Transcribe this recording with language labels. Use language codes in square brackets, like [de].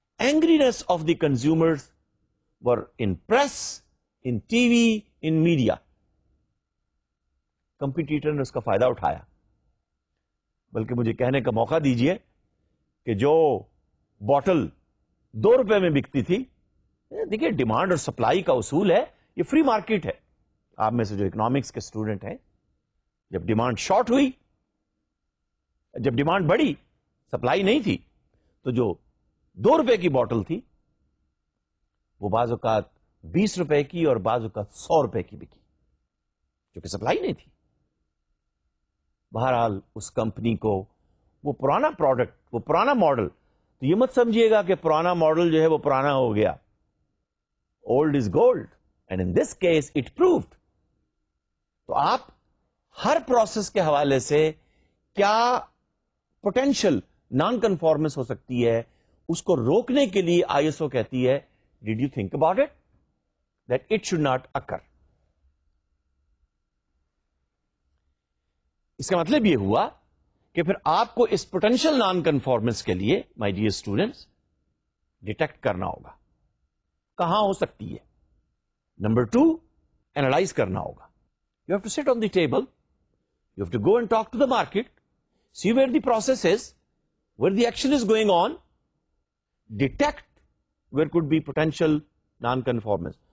[en] Ingrains of the consumers were in press, in TV, in media. [ur] Competitor نے اس کا فائدہ اٹھایا, بلکہ مجھے کہنے کا موقع دیجئے کہ جو بوٹل دو روپے میں بکتی تھی, دیکھیے ڈیمانڈ اور سپلائی کا اصول ہے, یہ فری مارکیٹ ہے. آپ میں سے جو اکنامکس کے اسٹوڈنٹ ہیں جب ڈیمانڈ شارٹ ہوئی, جب ڈیمانڈ بڑھی سپلائی نہیں تھی, تو جو 2 روپے کی بوٹل تھی وہ بعض اوقات 20 روپے کی اور بعض اوقات 100 روپے کی بکی, کیونکہ سپلائی نہیں تھی. بہرحال اس کمپنی کو وہ پرانا پروڈکٹ, وہ پرانا ماڈل, تو یہ مت سمجھیے گا کہ پرانا ماڈل جو ہے وہ پرانا ہو گیا. [en] Old is gold, and in this case it proved. [ur] تو آپ ہر پروسیس کے حوالے سے کیا پوٹینشیل نان کنفارمنس ہو سکتی ہے اس کو روکنے کے لیے آئی ایس او کہتی ہے, [en] Did you think about it that it should not occur. [ur] اس کا مطلب یہ ہوا کہ پھر آپ کو اس پوٹینشیل نان کنفارمنس کے لیے, [en] my dear students, [ur] ڈیٹیکٹ کرنا ہوگا کہاں ہو سکتی ہے. نمبر 2, اینالائز کرنا ہوگا. [en] You have to sit on the table, you have to go and talk to the market, see where the process is, where the action is going on, detect where could be potential non conformance.